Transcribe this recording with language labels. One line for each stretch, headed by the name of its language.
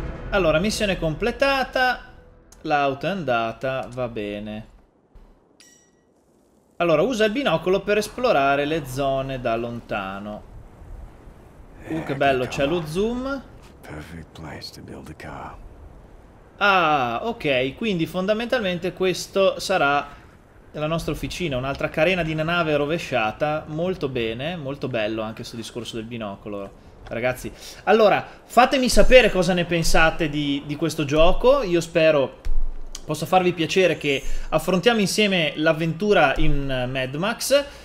Italian: Allora, missione completata. L'auto è andata, va bene. Allora, usa il binocolo per esplorare le zone da lontano. Che bello, c'è lo zoom.
English: Perfect place to build a car.
Italian: Ah, ok, quindi fondamentalmente questo sarà la nostra officina, un'altra carena di una nave rovesciata, molto bene, molto bello anche questo discorso del binocolo, ragazzi. Allora, fatemi sapere cosa ne pensate di questo gioco, io spero possa farvi piacere che affrontiamo insieme l'avventura in Mad Max.